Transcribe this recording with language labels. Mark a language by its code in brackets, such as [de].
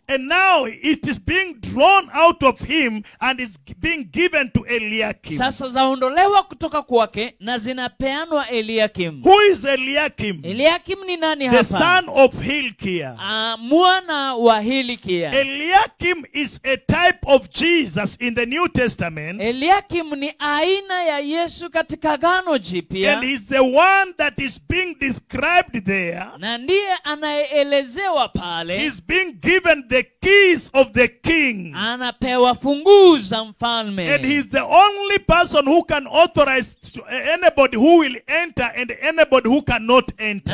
[en] And now it is being drawn out of him and is being given to Eliakim. [sw] Sasa zaondolewa kutoka kwake na zinapeanwa Eliakim. [en] Who is Eliakim? [sw] Eliakim ni nani [en] the [sw] hapa? [en] The son of Hilkiah. [sw] Mwana wa Hilkiah. kuingia. [en] Eliakim is a type of Jesus in the New Testament. [sw] Eliakim ni aina ya Yesu katika Agano Jipya. [en] And he's the one that is being described there. [sw] Na ndiye anaelezewa pale. [en] He's being given the keys of the king. [sw] Anapewa funguo za mfalme. [en] And he's the only person who can authorize to anybody who will enter and anybody who cannot enter.